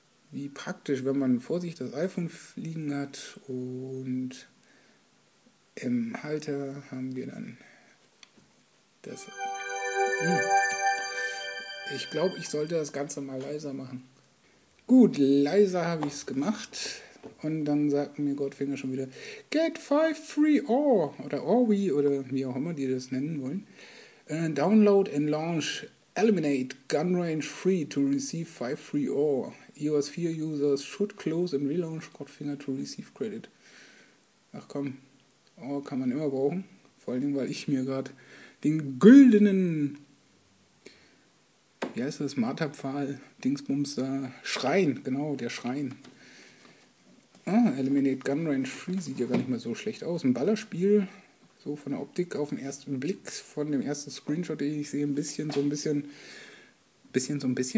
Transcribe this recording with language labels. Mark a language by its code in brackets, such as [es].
[de] Wie praktisch, wenn man vor sich das iPhone liegen hat und im Halter haben wir dann das. Ich glaube, ich sollte das Ganze mal leiser machen. Gut, leiser habe ich es gemacht. Und dann sagt mir Godfinger schon wieder, [en] get 5-3 or, [de] oder Orwi, oder wie auch immer die das nennen wollen. [en] Download and launch Eliminate Gun Range Free to receive 5-3 or. iOS 4 users should close and relaunch Godfinger to receive credit. [de] Ach komm, or kann man immer brauchen. Vor allen Dingen, weil ich mir gerade den güldenen, wie heißt das, Marterpfahl, Dingsbums da, Schrein, genau, der Schrein. Eliminate Gun Range Free sieht ja gar nicht mal so schlecht aus. Ein Ballerspiel, so von der Optik auf den ersten Blick, von dem ersten Screenshot, den ich sehe, ein bisschen.